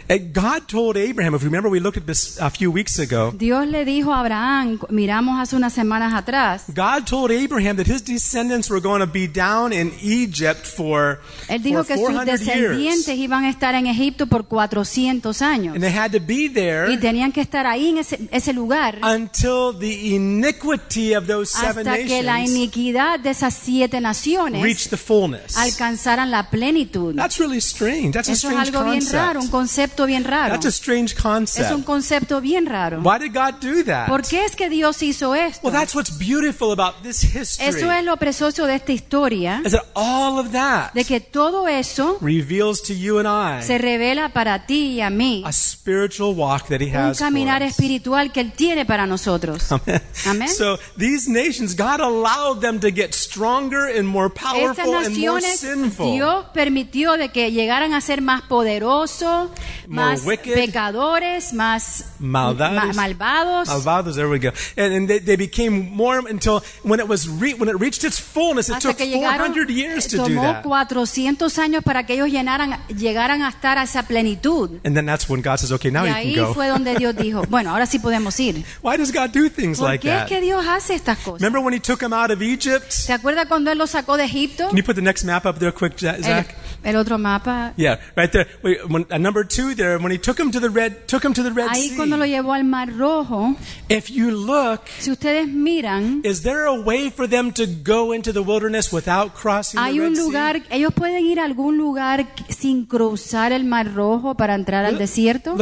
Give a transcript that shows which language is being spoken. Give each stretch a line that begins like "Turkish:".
English: God told Abraham, if you remember, we looked at this a few weeks ago.
Spanish: Dios le dijo a Abraham, miramos hace unas semanas atrás.
English: God told Abraham that his descendants were going to be down in Egypt for 400 years.
Spanish: Él dijo que sus descendientes
English: years.
Spanish: Iban a estar en Egipto por 400 años.
English: And they had to be there.
Spanish: Y tenían que estar ahí en ese lugar.
English: Until the iniquity of those seven nations.
Spanish: Hasta que la iniquidad de esas siete naciones.
English: Reached the fullness.
Spanish: Alcanzaran la plenitud.
English: That's really strange. That's
Spanish: Eso
English: a strange
Spanish: algo bien raro, un concepto bien raro.
English: That's a strange concept.
Spanish: Es un concepto bien raro.
English: Why did God do that?
Spanish: ¿Por qué es que Dios hizo esto?
English: Well, that's what's beautiful about this history.
Spanish: Eso es lo precioso de esta historia.
English: Is that all of that?
Spanish: De que todo eso
English: reveals to you and I.
Spanish: Se revela para ti y a mí.
English: A spiritual walk that He has.
Spanish: Un caminar
English: for us.
Spanish: Espiritual que él tiene para nosotros.
English: Amen. So these nations, God allowed them to get stronger and more powerful
Spanish: Estas naciones,
English: and more sinful.
Spanish: Dios permitió de que llegaran a ser más poderoso, más
English: wicked,
Spanish: pecadores, más malvados.
English: Malvados, there we go. And they became more until when it was when it reached its fullness, it took 400 years to do that.
Spanish: Tomó 400 años para que ellos llegaran a estar a esa plenitud.
English: And then that's when God says, okay, now you can go.
Spanish: Y ahí fue donde Dios dijo, bueno, ahora sí podemos ir.
English: Why does God do things like that?
Spanish: ¿Por qué es que Dios hace estas cosas?
English: Remember when He took them out of Egypt?
Spanish: ¿Te acuerdas cuando Él los sacó de Egipto?
English: Can you put the next map up there quick, Zach?
Spanish: El otro mapa.
English: Yeah, right there. Number two there, when he took him to the Red Sea.
Spanish: Ahí cuando lo llevó al Mar Rojo.
English: If you look,
Spanish: si ustedes miran,
English: is there a way for them to go into the wilderness without crossing the Red
Spanish: Sea? Hay un lugar, ellos pueden ir a algún lugar sin cruzar el Mar Rojo para entrar al desierto.